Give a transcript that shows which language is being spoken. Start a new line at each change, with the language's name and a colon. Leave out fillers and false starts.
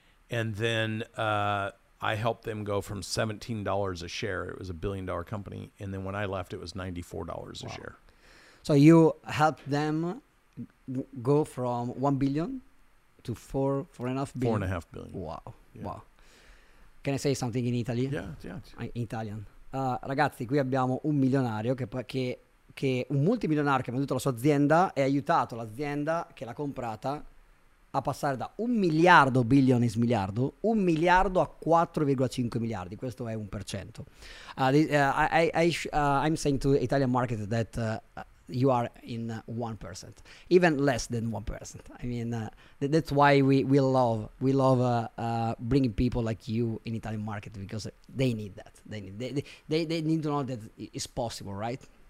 English: And then I helped them go from $17 a share. It was a $1 billion company. And then when I left, it was $94 a share. So you helped them go from $1 billion to $4.5 billion. $4.5 billion. Wow. Yeah. Wow. Can I say something in Italy? Yeah. In Italian.
Italian: Ragazzi, qui abbiamo un milionario che un multimilionario che ha venduto la sua azienda e ha aiutato l'azienda che l'ha comprata a passare da un miliardo,
English: billion is miliardo,
Italian: un miliardo a 4,5 miliardi. Questo è 1%.
English: I'm saying to Italian market that you are in 1%, even less than 1%. I mean, that's why we love bringing people like you in Italian market because they need that. They need to know that it's possible, right?